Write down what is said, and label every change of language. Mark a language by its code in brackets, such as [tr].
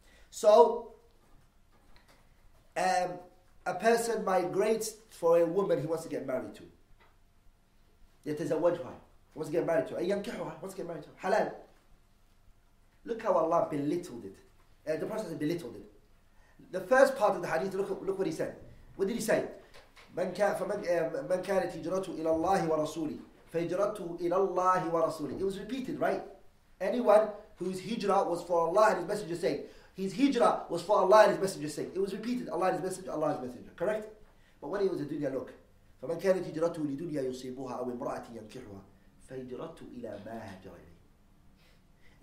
[en] So, a person migrates for a woman he wants to get married to. [ar] يتزوجها, [en] wants to get married to. [ar] ينكحها, [en] wants to get married to. Halal. Look how Allah belittled it. The Prophet belittled it. The first part of the hadith, look what he said. What did he say? [ar] من كانت هجرته إلى الله ورسوله فهجرته إلى الله ورسوله. [en] It was repeated, right? Anyone whose hijrah was for Allah and His Messenger saying, his hijrah was for Allah and His Messenger's sake. It was repeated, Allah and His Messenger, Allah and His Messenger. Correct? But when it was a dunya, look. [ar] فَمَنْ كَانَتْ هِجْرَتُهُ لِدُنْيَا يُصِيبُهَا أَوْ إِمْرَأَةٍ يَنْكِحُهَا فَهِجْرَتُهُ إِلَى مَا هَجَرَ إِلَيْهِ.